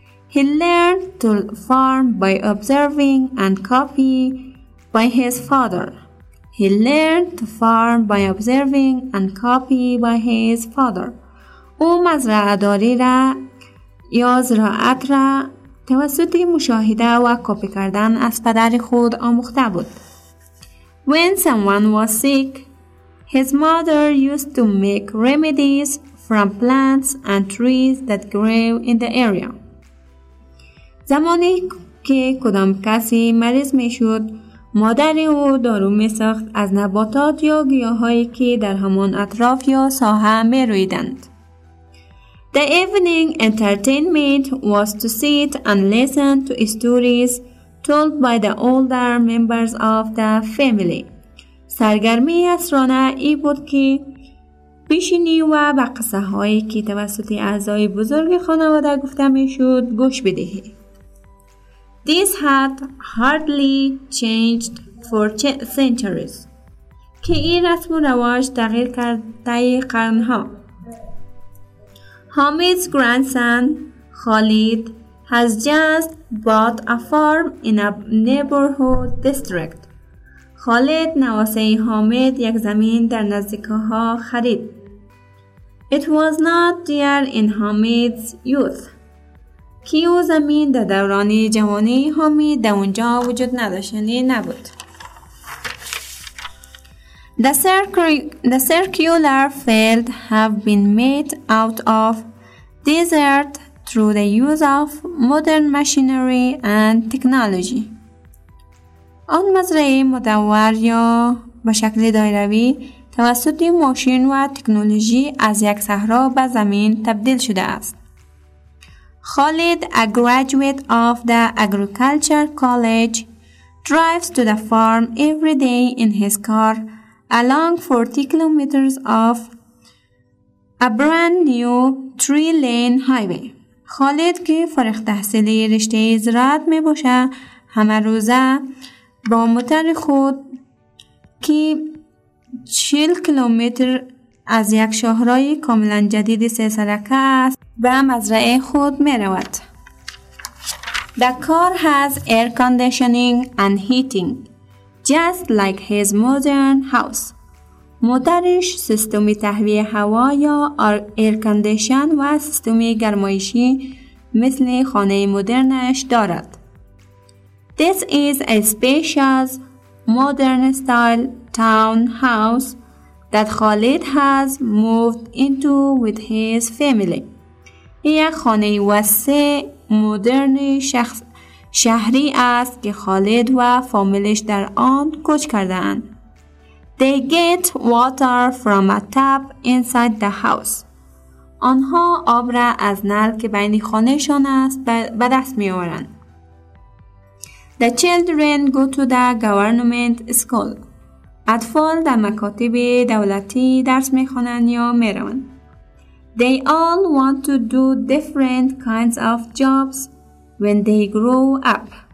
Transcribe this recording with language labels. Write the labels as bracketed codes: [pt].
[en] He learned to farm by observing and copy by his father. He learned to farm by observing and copy by his father. [fa] او مزرعه‌داری را یا زراعت را توسط مشاهده و کپی کردن از پدر خود آموخته بود. [en] When someone was sick, his mother used to make remedies from plants and trees that grew in the area. [fa] زمانی که کدام کسی مریض می شد، مادر او دارو می ساخت از نباتات یا گیاهایی که در همان اطراف یا ساحه می رویدند. [en] The evening entertainment was to sit and listen to stories told by the older members of the family. [fa] سرگرمی عصرانه ای بود که بشینی و به قصه هایی که توسط اعضای بزرگ خانواده گفته می شود گوش بدهی. [en] This had hardly changed for centuries. [fa] که این رسم و رواج تغییر کرده قرن ها. [en] Hamid's grandson, Khalid, has just bought a farm in a neighborhood district. [fa] Khalid نواسه حامد یک زمین در نزدیکه ها خرید. [en] It was not there in Hamid's youth. [fa] کیو زمین در دوران جوانی حامد در اونجا وجود نداشتنی نبود. [en] The circular field have been made out of desert through the use of modern machinery and technology. [fa] آن مزرعه مدور یا به شکل دایروی توسط ماشین و تکنولوژی از یک صحرا به زمین تبدیل شده است. [en] Khalid, a graduate of the agriculture college, drives to the farm every day in his car along 40 kilometers of a brand new three-lane highway. [fa] خالد که فارغ تحصیلی رشته زراعت می باشه همه روزه با موتر خود که 40 کیلومتر از یک شهرهای کاملا جدید سه سرکه است به مزرعه خود می رود. [en] The car has air conditioning and heating, just like his modern house. [fa] موتورش سیستم تهویه هوا یا ایرکندیشن و سیستم گرمایشی مثل خانه مدرنش دارد. [en] This is a spacious modern style townhouse that Khalid has moved into with his family. [fa] یک خانه وسیع مدرن شهری است که خالد و فامیلش در آن کوچ کردند. [en] They get water from a tap inside the house. [fa] آنها آب را از نل که بین خانهشان است به دست می آورند. [en] The children go to the government school. [fa] اطفال در مکاتب دولتی درس می خوانند یا می روند. [en] They all want to do different kinds of jobs when they grow up.